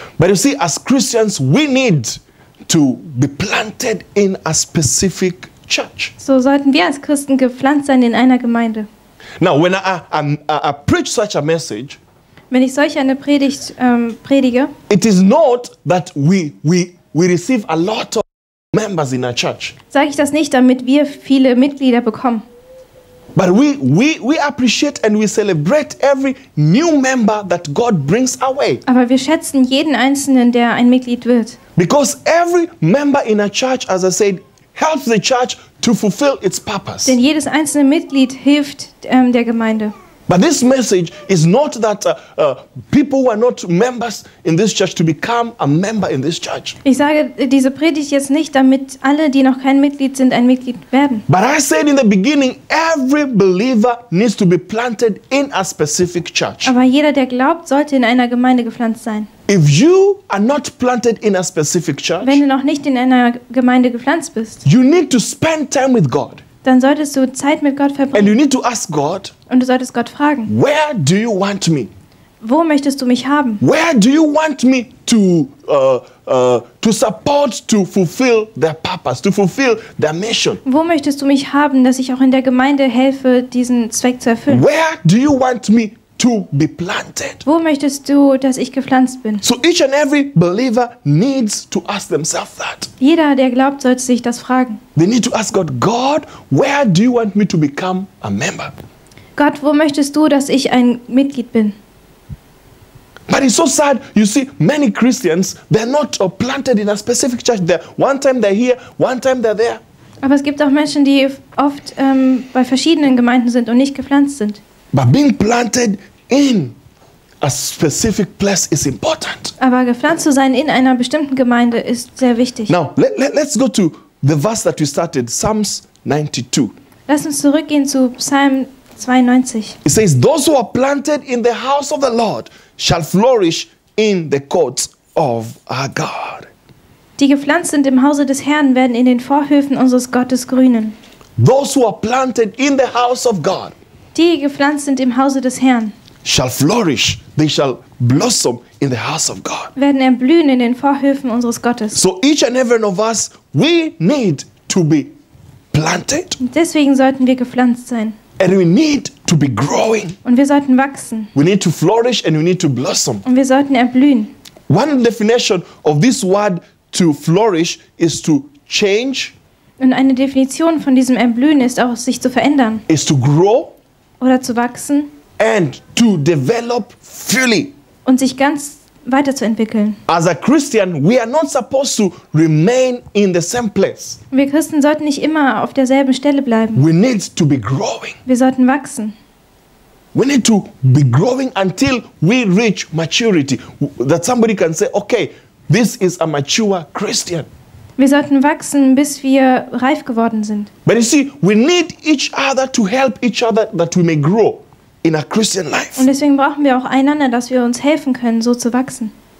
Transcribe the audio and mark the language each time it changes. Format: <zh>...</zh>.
<en>But you see, as Christians, we need to be planted in a specific church.</en> <de>So sollten wir als Christen gepflanzt sein in einer Gemeinde.</de> <en>Now, when I preach such a message,</en> <de>wenn ich solch eine Predigt predige,</de> <en>it is not that we receive a lot of members in a church.</en> <de>Sage ich das nicht, damit wir viele Mitglieder bekommen?</de> <en>But we appreciate and we celebrate every new member that God brings our way.</en> <de>Aber wir schätzen jeden einzelnen, der ein Mitglied wird.</de> <en>Because every member in a church, as I said, helps the church to fulfill its purpose.</en> <de>Denn jedes einzelne Mitglied hilft der Gemeinde.</de> <en>But this message is not that people who are not members in this church to become a member in this church.</en> <de>Ich sage diese Predigt jetzt nicht, damit alle, die noch kein Mitglied sind, ein Mitglied werden.</de> <en>But I said in the beginning, every believer needs to be planted in a specific church.</en> <de>Aber jeder, der glaubt, sollte in einer Gemeinde gepflanzt sein.</de> <en>If you are not planted in a specific church,</en> <de>wenn du noch nicht in einer Gemeinde gepflanzt bist,</de> <en>you need to spend time with God.</en> <de>Dann solltest du Zeit mit Gott verbringen.</de> <en>And you need to ask God,</en> <de>und du solltest Gott fragen.</de> <en>Where do you want me?</en> <de>Wo möchtest du mich haben?</de> <en>Where do you want me to support to fulfill their purpose, to fulfill their mission?</en> <de>Wo möchtest du mich haben, dass ich auch in der Gemeinde helfe, diesen Zweck zu erfüllen?</de> <en>Where do you want me to be planted?</en> <de>Wo möchtest du, dass ich gepflanzt bin?</de> <en>So each and every believer needs to ask themselves that.</en> <de>Jeder, der glaubt, sollte sich das fragen.</de> <en>They need to ask God, God, where do you want me to become a member?</en> <de>Gott, wo möchtest du, dass ich ein Mitglied bin?</de> <en>But it's so sad, you see, many Christians, they're not planted in a specific church. They're, one time they're here, one time they're there.</en> <de>Aber es gibt auch Menschen, die oft bei verschiedenen Gemeinden sind und nicht gepflanzt sind.</de> <en>But being planted in a specific place is important.</en> <de>Aber gepflanzt zu sein in einer bestimmten Gemeinde ist sehr wichtig.</de> <en>Now, let's go to the verse that we started, Psalms 92.</en> <de>Lass uns zurückgehen zu Psalm 92.</de> <en>It says, those who are planted in the house of the Lord shall flourish in the courts of our God.</en> <de>Die gepflanzt sind im Hause des Herrn werden in den Vorhöfen unseres Gottes grünen.</de> <en>Those who are planted in the house of God,</en> <de>die gepflanzt sind im Hause des Herrn,</de> <en>shall flourish, they shall blossom in the house of God.</en> <de>Werden erblühen in den Vorhöfen unseres Gottes.</de> <en>So each and every one of us, we need to be planted.</en> <de>Deswegen sollten wir gepflanzt sein.</de> <en>And we need to be growing.</en> <de>Und wir sollten wachsen.</de> <en>We need to flourish and we need to blossom.</en> <de>Und wir sollten erblühen.</de> <en>One definition of this word to flourish is to change.</en> <de>Und eine Definition von diesem Erblühen ist auch sich zu verändern.</de> <en>Is to grow.</en> <de>Oder zu wachsen</de> <en>and to develop fully.</en> <de>Und sich ganz weiterzuentwickeln.</de> <en>As a Christian, we are not supposed to remain in the same place.</en> <de>Wir Christen sollten nicht immer auf derselben Stelle bleiben.</de> <en>We need to be growing.</en> <de>Wir sollten wachsen.</de> <en>We need to be growing until we reach maturity. That somebody can say, okay, this is a mature Christian.</en> <de>Wir sollten wachsen, bis wir reif geworden sind.</de> <en>But you see, we need each other to help each other that we may grow in a Christian life.</en> <de>Und deswegen brauchen wir auch einander, dass wir uns helfen können, so zu wachsen.</de>